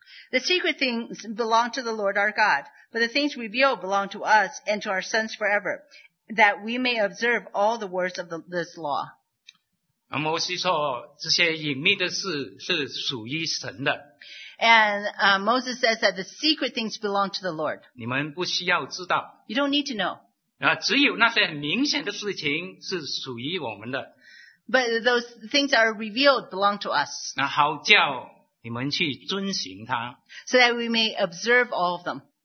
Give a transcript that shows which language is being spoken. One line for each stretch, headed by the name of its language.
English: the secret things belong to the Lord our God, but the things revealed belong to us and to our sons forever, that we may observe all the words of this law.
Chinese: 摩西说这些隐秘的事是属于神的,
English: and Moses says that the secret things belong to the Lord.
Chinese: 你们不需要知道,
English: you don't need to know.
Chinese: 只有那些很明显的事情是属于我们的,
English: but those things that are revealed belong to us.
Chinese: 好叫你们去遵行它,
English: so that we may observe all of them.